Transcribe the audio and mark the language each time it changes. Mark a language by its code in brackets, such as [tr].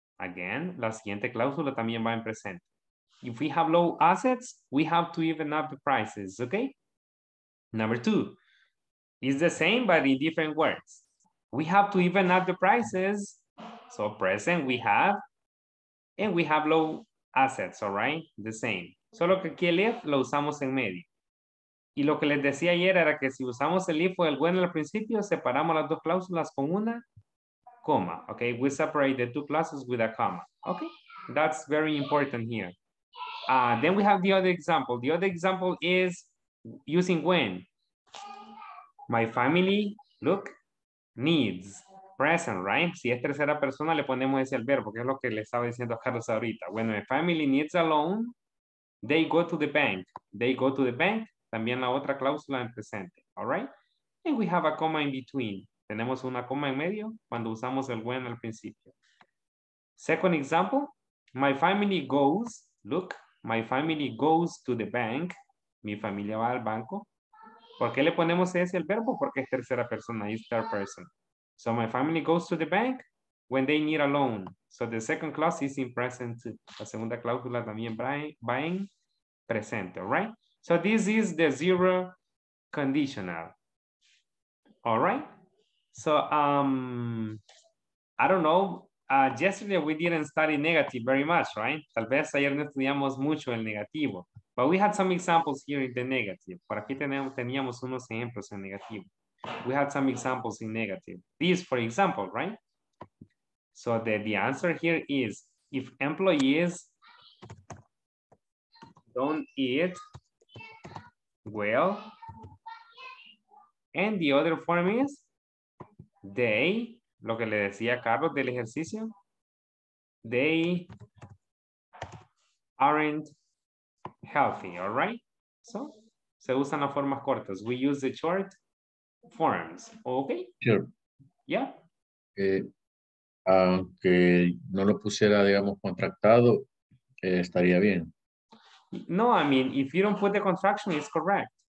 [es] Again, la siguiente cláusula también va en presente. [en] If we have low assets, we have to even up the prices, okay? Number two, it's the same but in different words. We have to even up the prices. So present we have, and we have low assets, all right? The same. [es] Solo que aquí el if lo usamos en medio. Y lo que les decía ayer era que si usamos el if o el when al principio, separamos las dos cláusulas con una coma, okay? [en] We separate the two clauses with a comma, okay? That's very important here. Then we have the other example. The other example is using when. My family, look, needs. Present, right? [es] Si es tercera persona, le ponemos ese al verbo, que es lo que le estaba diciendo a Carlos ahorita. [en] When my family needs a loan, they go to the bank. They go to the bank. [es] También la otra cláusula en presente, all right? [en] And we have a comma in between. [es] Tenemos una coma en medio cuando usamos el when al principio. [en] Second example, my family goes, look, my family goes to the bank. [es] Mi familia va al banco. ¿Por qué le ponemos ese al verbo? Porque es tercera persona, [en] it's third person. So my family goes to the bank when they need a loan. So the second clause is in present too. [es] La segunda cláusula también va en presente, all right? [en] So this is the zero conditional, all right? So I don't know. Yesterday we didn't study negative very much, right? [es] Tal vez ayer no estudiamos mucho el negativo. [en] But we had some examples here in the negative. [es] Por aquí teníamos unos ejemplos en negativo. [en] We had some examples in negative. This, for example, right? So the answer here is, if employees don't eat well, and the other form is they, [es] lo que le decía Carlos del ejercicio, [en] they aren't healthy, all right? So, [es] se usan las formas cortas. [en] We use the short forms, okay? Sure. Yeah. [es] Aunque no lo pusiera, digamos, contractado, estaría bien. [en] No, I mean, if you don't put the contraction, it's correct.